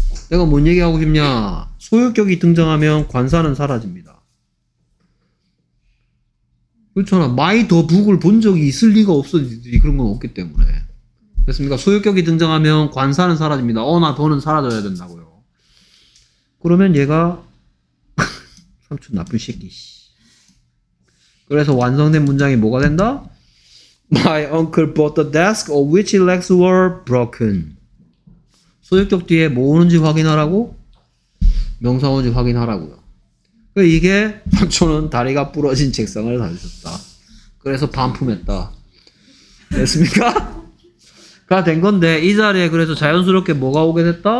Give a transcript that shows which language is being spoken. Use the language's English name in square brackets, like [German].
[Korean] 내가 뭔 얘기하고 싶냐 소유격이 등장하면 관사는 사라집니다 그렇잖아 my the book을 본 적이 있을 리가 없어 그런 건 없기 때문에 됐습니까? 소유격이 등장하면 관사는 사라집니다 어나 더는 사라져야 된다고요 그러면 얘가 삼촌 나쁜 새끼 씨 그래서 완성된 문장이 뭐가 된다? [English] My uncle bought the desk of which legs were broken. [Korean] 소유격 뒤에 뭐 오는지 확인하라고? 명사 오는지 확인하라고요. 이게 삼촌은 다리가 부러진 책상을 다루셨다. 그래서 반품했다. 됐습니까? 가 된 건데 이 자리에 그래서 자연스럽게 뭐가 오게 됐다?